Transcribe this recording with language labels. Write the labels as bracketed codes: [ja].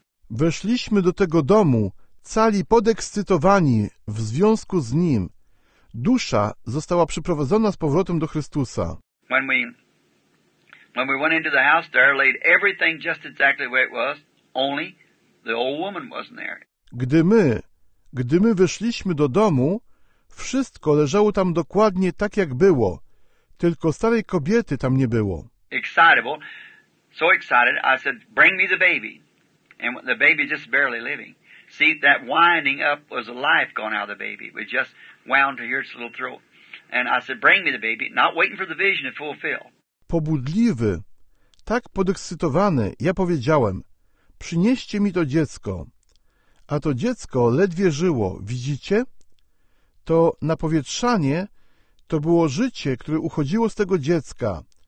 [pl] Weszliśmy do tego domu, cali podekscytowani w związku z nim. Dusza została przyprowadzona z powrotem do Chrystusa. [en] When we went into the house, there laid everything just exactly where it was, only the old woman wasn't there. [pl] Gdy my weszliśmy do domu, wszystko leżało tam dokładnie tak, jak było, tylko starej kobiety tam nie było. [en] Excitable, so excited, I said, bring me the baby. And the baby just barely living. See, that winding up was a life gone out of the baby. It was just wound to hear its little throat. And I said, bring me the baby, not waiting for the vision to fulfill. [pl] Pobudliwy, tak podekscytowany, ja powiedziałem, przynieście mi to dziecko. a to dziecko ledwie żyło, widzicie? To napowietrzanie to było życie, które uchodziło z tego dziecka.